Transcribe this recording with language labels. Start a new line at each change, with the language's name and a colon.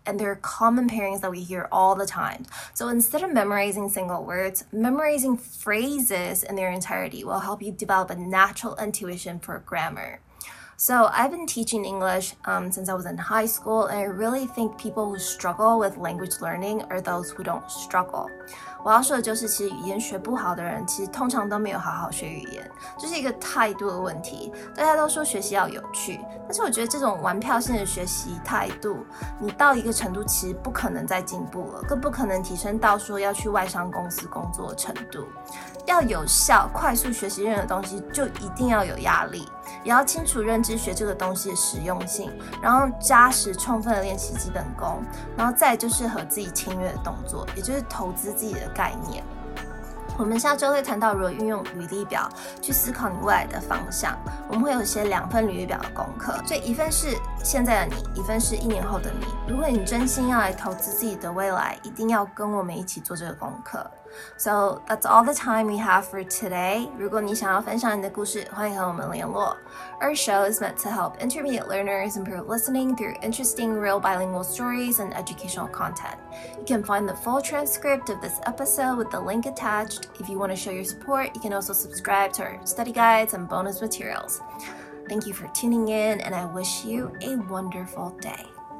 English: And there are common pairings that we hear all the time. So instead of memorizing single words, memorizing phrases in their entirety will help you develop a natural intuition for grammar. So I've been teaching English since I was in high school, and I really think people who struggle with language learning are those who don't struggle.
Chinese: 我要说的就是，其实语言学不好的人，其实通常都没有好好学语言，这是一个态度的问题。大家都说学习要有趣，但是我觉得这种玩票性的学习态度，你到一个程度，其实不可能再进步了，更不可能提升到说要去外商公司工作的程度。要有效快速学习任何东西，就一定要有压力，也要清楚认知学这个东西的实用性，然后扎实充分的练习基本功，然后再就是和自己签约的动作，也就是投资自己的概念。我们下周会谈到如何运用履历表去思考你未来的方向，我们会有写两份履历表的功课，所以一份是现在的你，一份是一年后的你。如果你真心要来投资自己的未来，一定要跟我们一起做这个功课。
English: So that's all the time we have for today.
Chinese: 如果你想要分享你的故事，欢迎和我们联络。
English: Our show is meant to help intermediate learners improve listening through interesting real bilingual stories and educational content. You can find the full transcript of this episode with the link attached. If you want to show your support, you can also subscribe to our study guides and bonus materials. Thank you for tuning in, and I wish you a wonderful day.